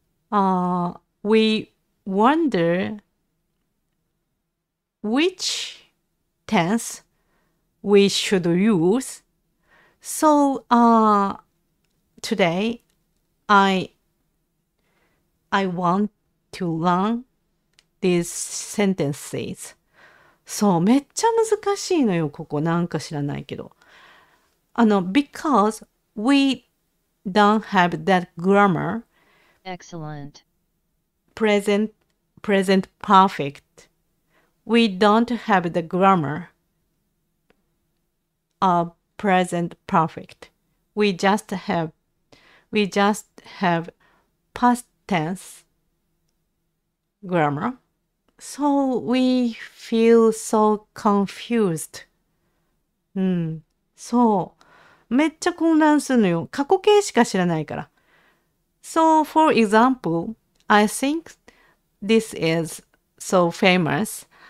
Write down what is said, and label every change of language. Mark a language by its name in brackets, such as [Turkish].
[English] We wonder which tense we should use. So, today I want to learn these sentences. [Japanese] そう、めっちゃ難しいのよ、ここ。なんか知らないけど。あの、 [English] because we don't have that grammar. Excellent. Present perfect. We don't have the grammar of present perfect. We just have past tense grammar. So we feel so confused. [Japanese] そう。めっちゃ混乱するのよ。過去形しか知らないから。 [English] So for example, I think this is so famous.